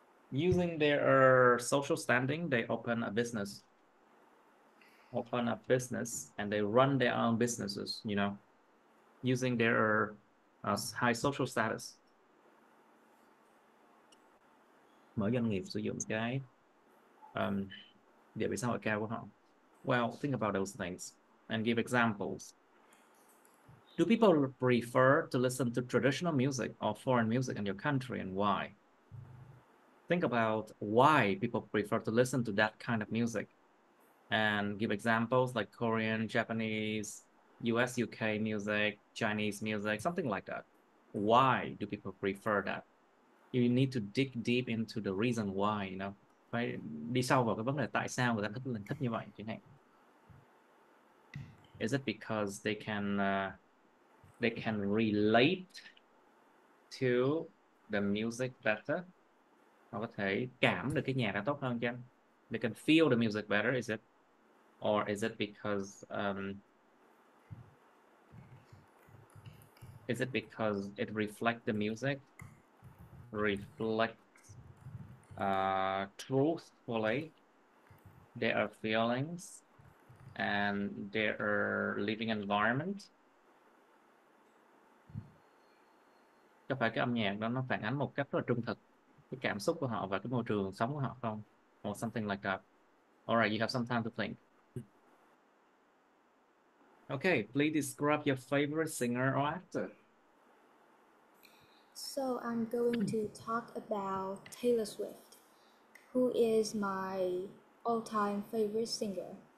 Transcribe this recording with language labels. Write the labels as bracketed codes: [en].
[en] using their social standing, they open a business. Open a business and they run their own businesses, you know, using their high social status. [vi] Mở doanh nghiệp sử dụng cái địa vị xã hội cao của họ. [en] Well, think about those things and give examples. Do people prefer to listen to traditional music or foreign music in your country and why? Think about why people prefer to listen to that kind of music and give examples like Korean, Japanese, US, UK music, Chinese music, something like that. Why do people prefer that? You need to dig deep into the reason why, you know. [vi] Phải đi sâu vào cái vấn đề tại sao người ta thích mình thích như vậy chẳng hạn. [en] Is it because they can relate to the music better? [vi] Họ có thể cảm được cái nhạc đó tốt hơn chứ. [en] They can feel the music better, is it? Or is it because it reflect the music? Reflect truthfully their feelings and their living environment. [vi] Có phải cái âm nhạc đó nó phản ánh một cách rất là trung thực cái cảm xúc của họ và cái môi trường sống của họ không? [en] Or something like that. All right, you have some time to think. Okay, please describe your favorite singer or actor. So I'm going to talk about Taylor Swift, who is my all-time favorite singer.